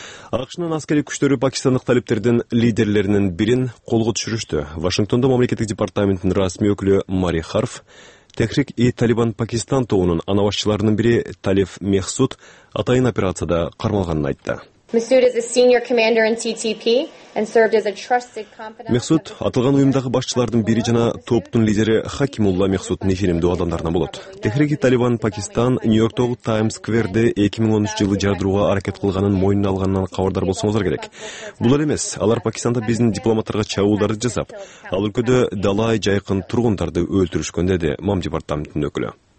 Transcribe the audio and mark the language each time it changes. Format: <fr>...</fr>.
<ky>АКШнын аскерий күчтөрү Пакистандык талиптердин лидерлеринин бирин колго түшүрүштү. Вашингтондо мамлекеттик департаменттин расмий өкүлү Мари Харф, Техрик и Талибан Пакистан тобунун ана башчыларынын бири Талиф Мехсуд атайын операцияда кармалганын айтты.</ky> <en>Мехсуд is a senior commander in TTP and served as a trusted confidant.</en> <ky>Мехсуд атылган уюмдагы башчылардын бири жана топтун лидери Хакимулла Мехсуддун ишенимдүү адамдарынан болот. Техрик-и Талибан Пакистан Нью-Йорктогу Times Square'де 2013 жылы жардырууга аракет кылганын мойнуна алганынан кабардар болсоңуздар керек. Бул эле эмес, алар Пакистанда биздин дипломаттарга чабуулдарды жасап, ал өлкөдө далай жайкын тургундарды өлтүрүшкөн деди Мам департаментинин өкүлү.</ky>